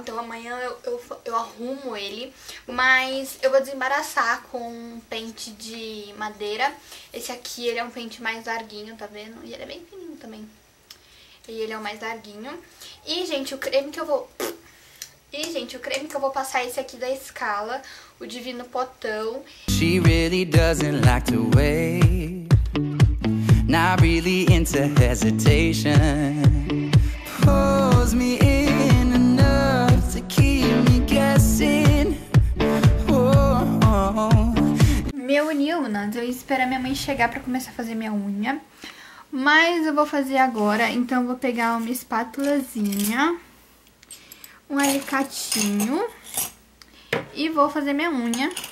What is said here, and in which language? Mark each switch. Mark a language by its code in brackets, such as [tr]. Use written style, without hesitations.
[pt] Então amanhã eu arrumo ele. Mas eu vou desembaraçar com um pente de madeira. Esse aqui, ele é um pente mais larguinho, tá vendo? E ele é bem fininho também. E ele é o mais larguinho. E, gente, o creme que eu vou... E, gente, o creme que eu vou passar é esse aqui da Scala, o Divino Potão. [en] She really doesn't like to wait. Not really into hesitation. Pulls me in enough to keep me guessing. Oh. [pt] Meu Nilnas, eu ia esperar minha mãe chegar pra começar a fazer minha unha. Mas eu vou fazer agora, então eu vou pegar uma espátulazinha. Um alicatinho. E vou fazer minha unha.